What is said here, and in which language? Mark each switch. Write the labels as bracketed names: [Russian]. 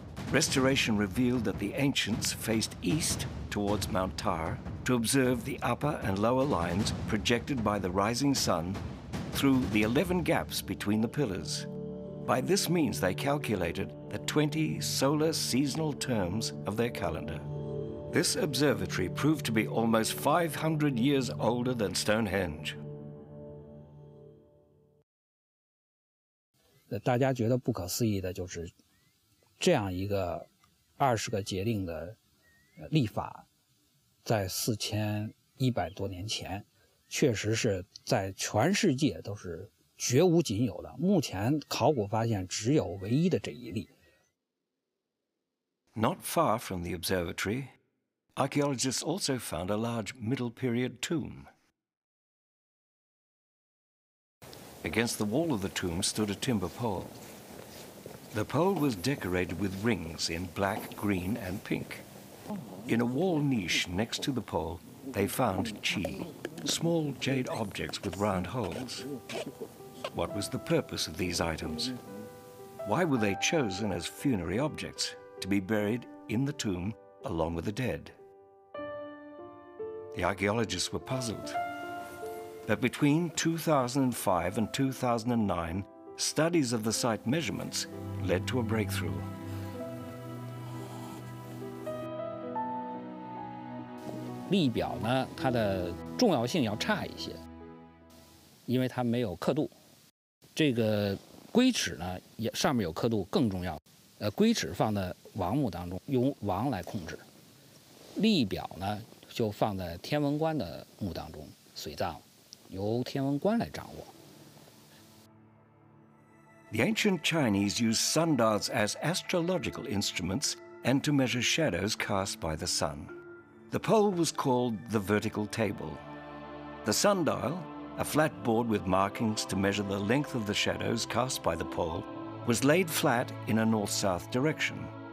[English] Restoration revealed that the ancients faced east towards Mount Tar to observe the upper and lower lines projected by the rising sun through the 11 gaps between the pillars. By this means, they calculated the 20 solar seasonal terms of their calendar. This observatory proved to be almost 500 years older than Stonehenge. [Chinese] 大家觉得不可思议的就是这样一个20个节令的历法在4100多年前确实是在全世界都是绝无仅有的，目前考古发现只有唯一的这一例。 [English] Not far from the observatory, archaeologists also found a large middle period tomb. Against the wall of the tomb stood a timber pole. The pole was decorated with rings in black, green, and pink. In a wall niche next to the pole, they found qi. Small jade objects with round holes. What was the purpose of these items? Why were they chosen as funerary objects to be buried in the tomb along with the dead? The archaeologists were puzzled. that between 2005 and 2009, studies of the site measurements led to a breakthrough. [Chinese] 历表呢，它的重要性要差一些，因为它没有刻度。这个龟齿呢，也上面有刻度更重要。龟齿放在王墓当中，用王来控制。历表呢，就放在天文官的墓当中，随葬，由天文官来掌握。 [English] The ancient Chinese used sundials as astrological instruments and to measure shadows cast by the sun. The pole was called the vertical table. The sundial, a flat board with markings to measure the length of the shadows cast by the pole, was laid flat in a north-south direction.